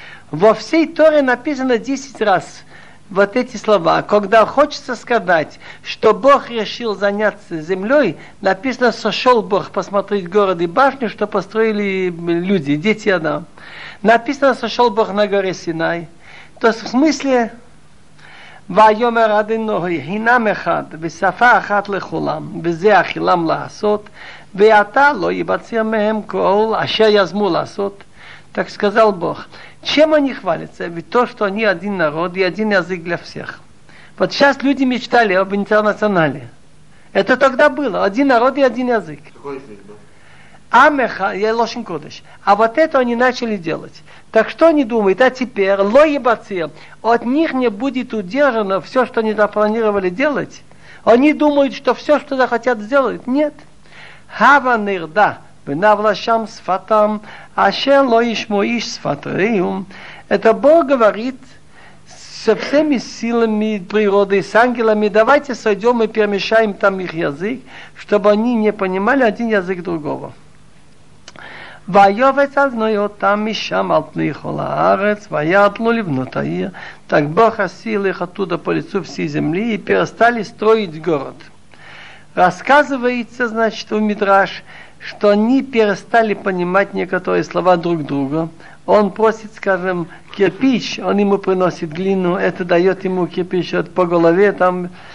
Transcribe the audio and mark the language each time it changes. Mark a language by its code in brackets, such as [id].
[ru] Во всей Торе написано 10 раз вот эти слова. Когда хочется сказать, что Бог решил заняться землей, написано, сошел Бог посмотреть город и башню, что построили люди, дети Адам. Написано, сошел Бог на горе Синай. То есть в смысле... [he] ויאמר אדוני, הנם אחד, בשפה אחת לכולם, וזה אכילם לעשות, ואתה לא יבצר מהם כל אשר יזמו לעשות. [ru] Так сказал Бог, чем они хвалятся? Ведь то, что они один народ и один язык для всех. Вот сейчас люди мечтали об интернационале. Это тогда было, один народ и один язык. Амеха, Лошин Кодыш. А вот это они начали делать. Так что они думают? А теперь, [he] ло ебацир, [ru] от них не будет удержано все, что они запланировали делать. Они думают, что все, что захотят, сделают. Нет. [he] Хава нырда, бна влашам сфатам, аше ло ишмо иш сфатриум. [ru] Это Бог говорит со всеми силами природы, с ангелами, давайте сойдем и перемешаем там их язык, чтобы они не понимали один язык другого. [he] ויובץ אדוני אותם משם על פני כל הארץ, ויעדלו לבנות העיר. [ru] Так Бог осил их оттуда по лицу всей земли и перестали строить город. Рассказывается, значит, в Мидраш, что они перестали понимать некоторые слова друг друга. Он просит, скажем, кирпич, он ему приносит глину, это дает ему кирпич вот по голове там.